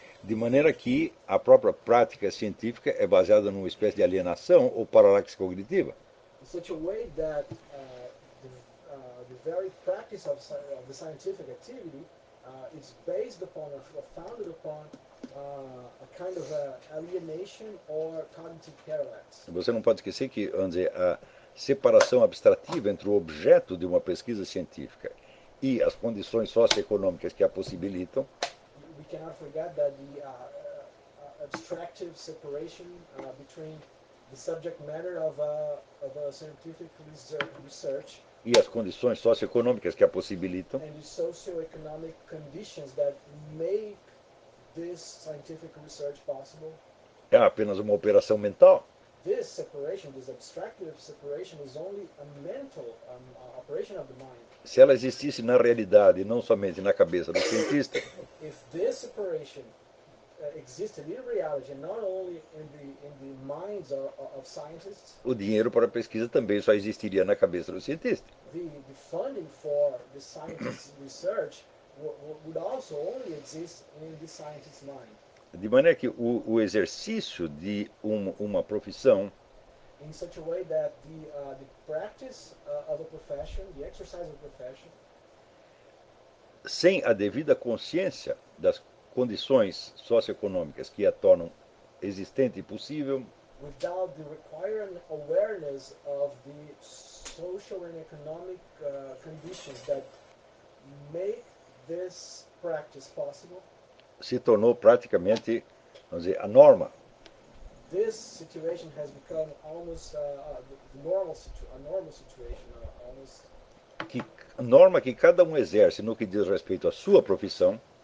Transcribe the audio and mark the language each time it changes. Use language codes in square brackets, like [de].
[pt] De maneira que a própria prática científica é baseada numa espécie de alienação ou paralaxe cognitiva. [en] In such a way that the very practice of the scientific activity is based upon or founded upon a kind of a alienation or cognitive parallax. [pt] Você não pode esquecer que, vamos dizer, a separação abstrativa entre o objeto de uma pesquisa científica e as condições socioeconômicas que a possibilitam. [en] We cannot forget that the abstractive separation between the subject matter of a scientific research [pt] e as condições socioeconômicas que a possibilitam [en] and the socioeconomic conditions that make this scientific research possible [pt] é apenas uma operação mental. [en] This separation, this abstractive separation, is only a mental operation of the mind. [pt] Se ela existisse na realidade, não somente na cabeça do cientista. [en] If this separation existed in reality, not only in the minds of scientists. [pt] O dinheiro para a pesquisa também só existiria na cabeça do cientista. [en] The funding for the scientist's research would also only exist in the scientist's mind. [pt] De maneira que o exercício de uma profissão. [en] In such a way that the practice of a profession, the exercise of a profession. [pt] Sem a devida consciência das condições socioeconômicas que a tornam existente e possível. [en] Without the required awareness of the social and economic conditions that make this practice possible. [pt] Se tornou praticamente, vamos dizer, a norma. [en] This situation has become almost the normal situation, a normal situation, almost. [pt] Que norma que cada exerce no que diz respeito à sua profissão.